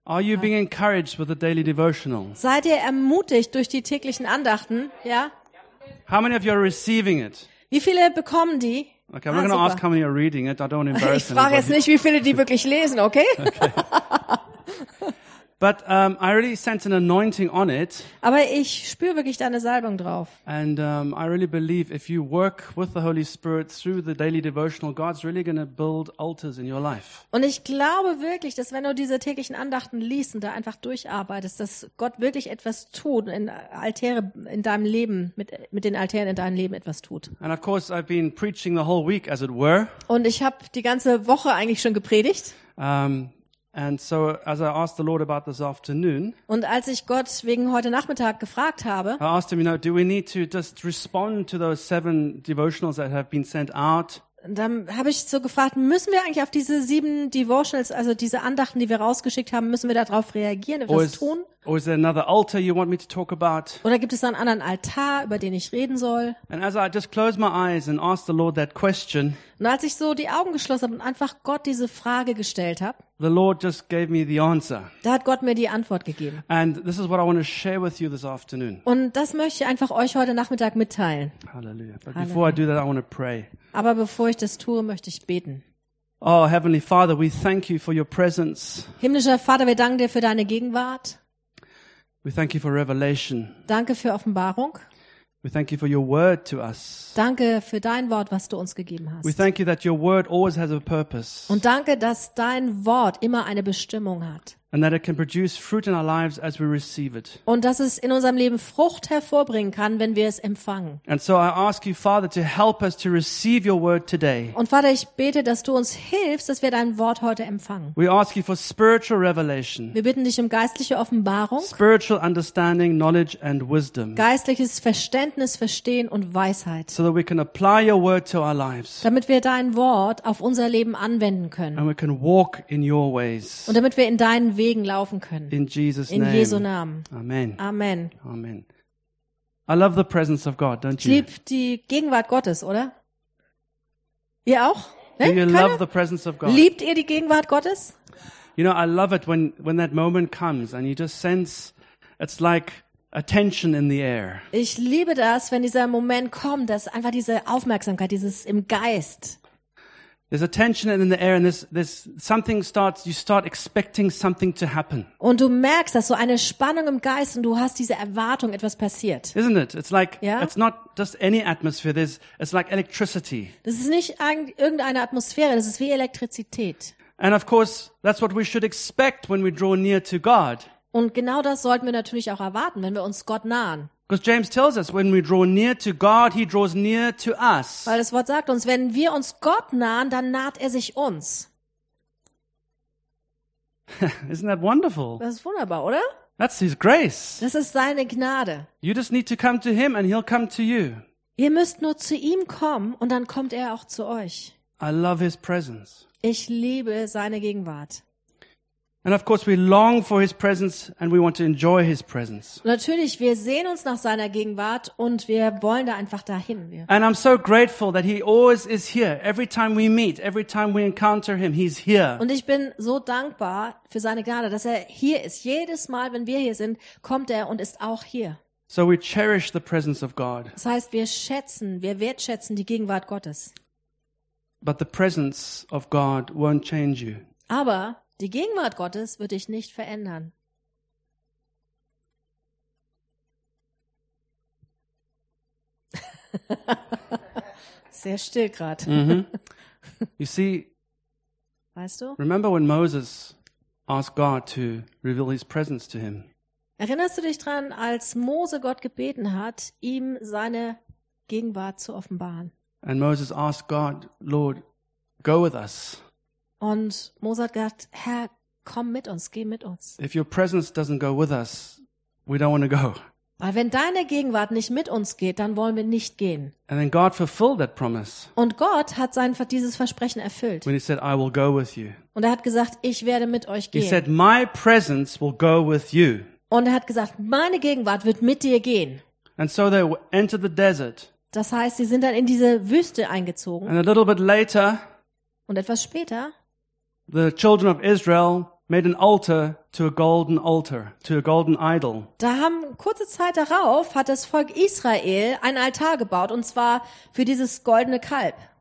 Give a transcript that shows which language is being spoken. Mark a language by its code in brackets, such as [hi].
[en] Are you being encouraged with the daily devotional? [de] Seid ihr ermutigt durch die täglichen Andachten? Ja? [en] How many of you are receiving it? [de] Wie viele bekommen die? [en] Okay, I'm not going to ask how many are reading it. I don't want to embarrass anybody. [de] Ich frage jetzt nicht, wie viele die wirklich lesen, okay? [en] But I really sense an anointing on it. [de] Aber ich spüre wirklich deine Salbung drauf. [en] And I really believe if you work with the Holy Spirit through the daily devotional, God's really going to build altars in your life. [de] Und ich glaube wirklich, dass wenn du diese täglichen Andachten liest und da einfach durcharbeitest, dass Gott wirklich etwas tut in Altäre in deinem Leben mit den Altären in deinem Leben etwas tut. [en] And of course, I've been preaching the whole week, as it were. [de] Und ich habe die ganze Woche eigentlich schon gepredigt. [en] And so as I asked the Lord about this afternoon, [de] und als ich Gott wegen heute Nachmittag gefragt habe, [en] I asked him, you know, do we need to just respond to those 7 devotionals that have been sent out? [de] Dann habe ich so gefragt, müssen wir eigentlich auf diese 7 devotionals, also diese Andachten, die wir rausgeschickt haben, müssen wir darauf reagieren, etwas tun? [en] Or is there another altar you want me to talk about? [de] Oder gibt es einen anderen Altar, über den ich reden soll? [en] And as I just closed my eyes and asked the Lord that question, [de] und als ich so die Augen geschlossen habe und einfach Gott diese Frage gestellt habe, [en] the Lord just gave me the answer. [de] Da hat Gott mir die Antwort gegeben. [en] And this is what I want to share with you this afternoon. [de] Und das möchte ich einfach euch heute Nachmittag mitteilen. [en] Hallelujah. But before I do that, I want to pray. [de] Aber bevor ich das tue, möchte ich beten. [en] Oh, Heavenly Father, we thank you for your presence. [de] Himmlischer Vater, wir danken dir für deine Gegenwart. [en] We thank you for revelation. [de] Danke für Offenbarung. [en] We thank you for your word to us. [de] Danke für dein Wort, was du uns gegeben hast. [en] We thank you that your word always has a purpose. [de] Und danke, dass dein Wort immer eine Bestimmung hat. [en] And that it can produce fruit in our lives as we receive it. [de] Und dass es in unserem Leben Frucht hervorbringen kann, wenn wir es empfangen. [en] And so I ask you, Father, to help us to receive your word today. [de] Und Vater, ich bete, dass du uns hilfst, dass wir dein Wort heute empfangen. [en] We ask you for spiritual revelation. [de] Wir bitten dich um geistliche Offenbarung. [en] Spiritual understanding, knowledge and wisdom. [de] Geistliches Verständnis, Verstehen und Weisheit. [en] So that we can apply your word to our lives. [de] Damit wir dein Wort auf unser Leben anwenden können. [en] And we can walk in your ways. [de] Und damit wir in deinen Wegen laufen können. [en] In Jesus' name. [de] In Jesu Namen. Amen. Amen. Amen. [en] I love the presence of God, don't you? [de] Ich liebe die Gegenwart Gottes, oder? Ihr auch? Ne? [en] Do you love the presence of God? [de] Liebt ihr die Gegenwart Gottes? [en] You know, I love it when that moment comes and you just sense it's like a tension in the air. [de] Ich liebe das, wenn dieser Moment kommt, dass einfach diese Aufmerksamkeit, dieses im Geist. [en] There's a tension in the air and this something starts, you start expecting something to happen. [de] Und du merkst, dass so eine Spannung im Geist und du hast diese Erwartung, etwas passiert. [en] Isn't it? It's like, yeah? It's not just any atmosphere, it's like electricity. [de] Das ist nicht irgendeine Atmosphäre, das ist wie Elektrizität. [en] And of course, that's what we should expect when we draw near to God. [de] Und genau das sollten wir natürlich auch erwarten, wenn wir uns Gott nahen. [en] Because James tells us, when we draw near to God, he draws near to us. [de] Weil das Wort sagt uns, wenn wir uns Gott nahen, dann naht er sich uns. [en] Isn't that wonderful? [de] Das ist wunderbar, oder? [en] That's his grace. [de] Das ist seine Gnade. [en] You just need to come to him and he'll come to you. [de] Ihr müsst nur zu ihm kommen und dann kommt er auch zu euch. [en] I love his presence. [de] Ich liebe seine Gegenwart. [en] And of course, we long for his presence, and we want to enjoy his presence. [de] Natürlich, wir sehen uns nach seiner Gegenwart, und wir wollen da einfach dahin. [en] And I'm so grateful that he always is here. Every time we meet, every time we encounter him, he's here. [de] Und ich bin so dankbar für seine Gnade, dass er hier ist. Jedes Mal, wenn wir hier sind, kommt er und ist auch hier. [en] So we cherish the presence of God. [de] Das heißt, wir wertschätzen die Gegenwart Gottes. [en] But the presence of God won't change you. [de] Aber die Gegenwart Gottes wird dich nicht verändern. Sehr still gerade. [en] Mm-hmm. You see, [de] weißt du? [en] Remember when Moses asked God to reveal his presence to him? [de] Erinnerst du dich dran, als Mose Gott gebeten hat, ihm seine Gegenwart zu offenbaren? [en] And Moses asked God, Lord, go with us. [de] Und Mose hat gesagt, Herr, komm mit uns, geh mit uns. [en] If your presence doesn't go with us, we don't want to go. [de] Weil wenn deine Gegenwart nicht mit uns geht, dann wollen wir nicht gehen. [en] And then God fulfilled that promise. [de] Und Gott hat dieses Versprechen erfüllt. [en] When he said, I will go with you. [de] Und er hat gesagt, ich werde mit euch gehen. [en] He said, my presence will go with you. [de] Und er hat gesagt, meine Gegenwart wird mit dir gehen. [en] And so they entered the desert. [de] Das heißt, sie sind dann in diese Wüste eingezogen. [en] And a little bit later, [de] und etwas später, [en] the children of Israel made an altar to a golden altar, to a golden idol. [de] Da haben kurze Zeit darauf hat das Volk Israel einen Altar gebaut, und zwar für dieses goldene Kalb.